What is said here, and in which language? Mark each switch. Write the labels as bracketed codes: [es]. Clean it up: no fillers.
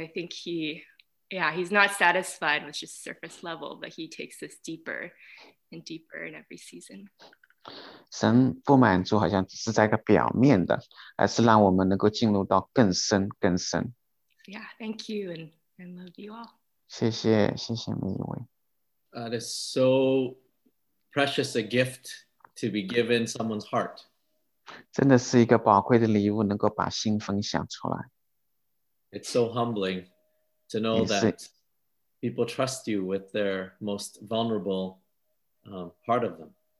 [en] I think he's not satisfied with just surface level, but he takes us deeper and deeper in every season. [zh] 神不满足好像只是在一个表面的，而是让我们能够进入到更深更深。 [en] Yeah, thank you and love you all. [zh] 谢谢每一位。 [en] That is so precious a gift to be given someone's heart. [zh] 真的是一个宝贵的礼物，能够把心分享出来。 [en] It's so humbling to know that people trust you with their most vulnerable part of them.